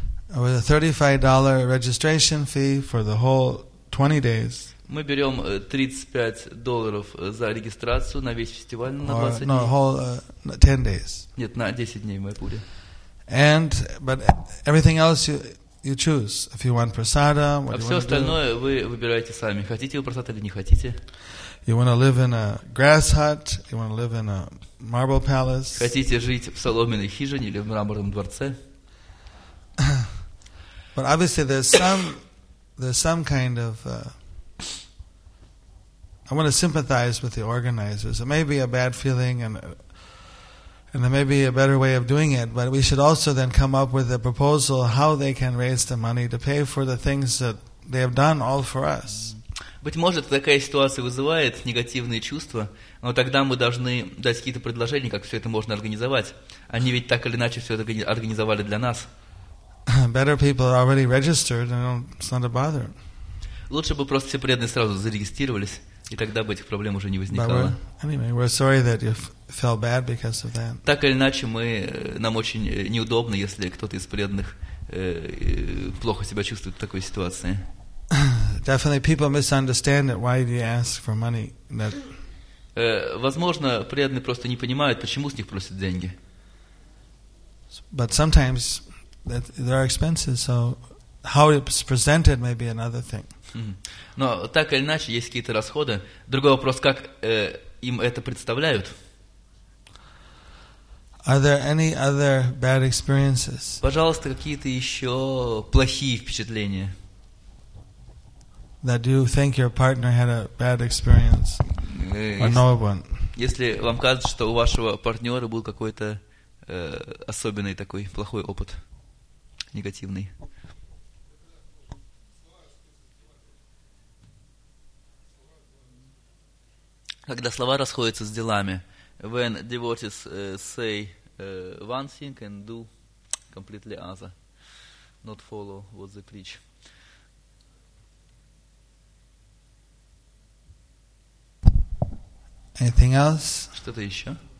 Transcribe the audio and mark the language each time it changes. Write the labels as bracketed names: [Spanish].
[English] With a $35 registration fee for the whole 20 days. [Russian] Мы берем $35 за регистрацию на весь фестиваль на 20 дней. [English] No, whole 10 days. [Russian] Нет, на 10 дней в Майяпуре. [English] And but everything else you choose if you want prasada. [Russian] А все остальное вы выбираете сами. Хотите вы прасад или не хотите? [English] You want to live in a grass hut? You want to live in a marble palace? [Russian] Хотите жить в соломенной хижине или в мраморном дворце? [English] But obviously there's some kind of I want to sympathize with the organizers. It may be a bad feeling and. And there may be a better way of doing it, but we should also then come up with a proposal how they can raise the money to pay for the things that they have done all for us. [Russian] Быть может, такая ситуация вызывает негативные чувства, но тогда мы должны дать какие-то предложения, как все это можно организовать. Они ведь так или иначе все это организовали для нас. [English] Better people are already registered, and it's not a bother. [Russian] Лучше бы просто все преданные сразу зарегистрировались. И тогда бы этих проблем уже не возникало. [English] Anyway, we're sorry that you felt bad because of that. [Russian] Так или иначе, нам очень неудобно, если кто-то из преданных плохо себя чувствует в такой ситуации. [English] Definitely, people misunderstand it. Why do you ask for money? That... [Russian] Возможно, преданные просто не понимают, почему с них просят деньги. [English] But sometimes there are expenses, so how it's presented may be another thing. [Russian] Но так или иначе есть какие-то расходы. Другой вопрос, как им это представляют. [English] Are there any other bad experiences? [Russian] Пожалуйста, какие-то еще плохие впечатления. [English] That you think your partner had a bad experience, or no one. [Russian] Если вам кажется, что у вашего партнера был какой-то особенный такой плохой опыт, негативный. Когда слова расходятся с делами. [English] When devotees say one thing and do completely other, not follow what they preach. Anything else? [Russian] Что-то еще?